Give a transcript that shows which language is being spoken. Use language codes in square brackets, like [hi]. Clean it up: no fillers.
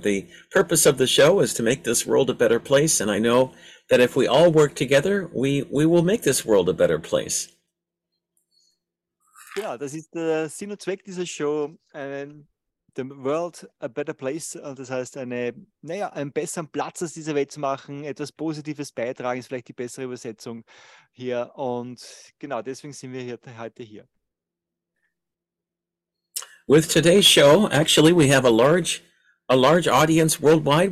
[en] The purpose of the show is to make this world a better place. And I know that if we all work together, we will make this world a better place. [de] Ja, das ist der Sinn und Zweck dieser Show, The World a Better Place, und das heißt, naja, einen besseren Platz aus dieser Welt zu machen, etwas Positives beitragen, ist vielleicht die bessere Übersetzung hier. Und genau deswegen sind wir heute hier. [en] With today's show, actually, we have a large audience worldwide.